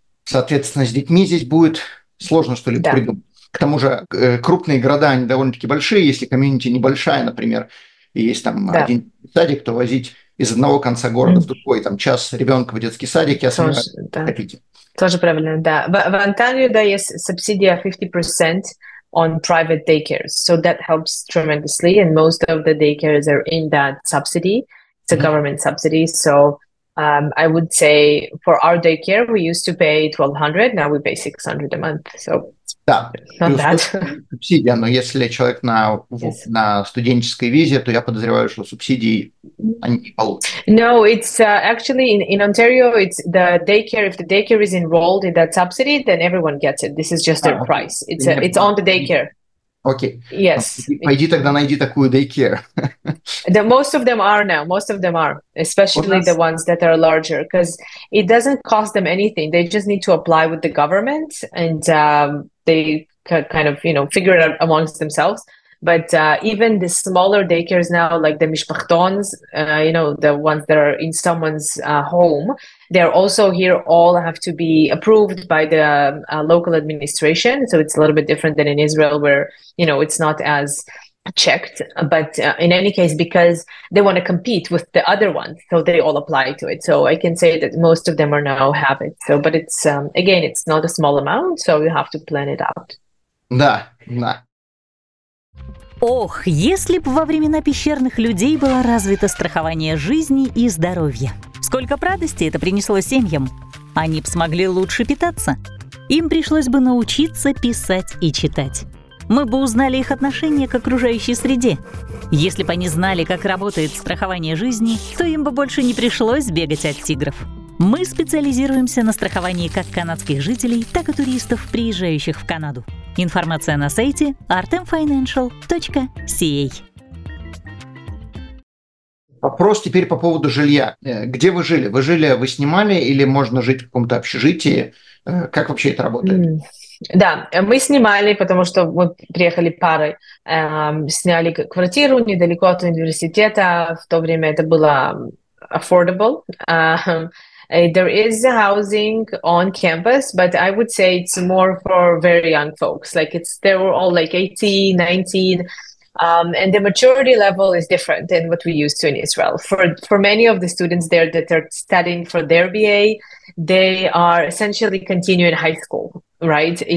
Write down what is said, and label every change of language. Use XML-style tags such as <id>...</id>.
<ru>Соответственно, с детьми здесь будет сложно что-либо придумать. К тому же крупные города, они довольно-таки большие. Если комьюнити небольшая, например, и есть там один садик, то возить из одного конца города в другой, там час ребенка в детский садик, я сам хотите. Тоже правильно, да. В Онтарио, да, есть субсидия 50%</ru> <en>on private daycares, so that helps tremendously, and most of the daycares are in that subsidy, it's a government subsidy, so I would say for our daycare, we used to pay 1200, now we pay 600 a month. So</en> <ru>да,</ru> <en>not that.</en> <ru>Субсидия, но если человек на,</ru> <en>yes.</en> <ru>на студенческой визе, то я подозреваю, что субсидии они не получат.</ru> <en>No, it's actually in Ontario, it's the daycare, if the daycare is enrolled in that subsidy, then everyone gets it. This is just their price. It's, it's on the daycare.</en> <ru>Окей.</ru> <en>Okay. Yes.</en> <ru>Пойди тогда найди такую daycare.</ru> <en>The most of them are now. Most of them are, especially the ones that are larger, because it doesn't cost them anything. They just need to apply with the government, and they kind of, you know, figure it out amongst themselves. But even the smaller daycares now, like the mishpachtons, you know, the ones that are in someone's home, they're also here, all have to be approved by the local administration. So it's a little bit different than in Israel, where, you know, it's not as checked. But in any case, because they want to compete with the other ones, so they all apply to it. So I can say that most of them are now have it. So, but it's, again, it's not a small amount, so you have to plan it out.</en> <ru>Да, да. Ох, если б во времена пещерных людей было развито страхование жизни и здоровья. Сколько радости это принесло семьям. Они б смогли лучше питаться. Им пришлось бы научиться писать и читать. Мы бы узнали их отношение к окружающей среде. Если бы они знали, как работает страхование жизни, то им бы больше не пришлось бегать от тигров. Мы специализируемся на страховании как канадских жителей, так и туристов, приезжающих в Канаду. Информация на сайте artemfinancial.ca. Вопрос теперь по поводу жилья. Где вы жили? Вы жили, вы снимали, или можно жить в каком-то общежитии? Как вообще это работает? Да, мы снимали, потому что мы приехали парой. Сняли квартиру недалеко от университета. В то время это было affordable.</ru> <en>There is housing on campus, but I would say it's more for very young folks. Like, it's, they were all like 18, 19, and the maturity level is different than what we used to in Israel. For many of the students there that are studying for their BA, they are essentially continuing high school, right?</en>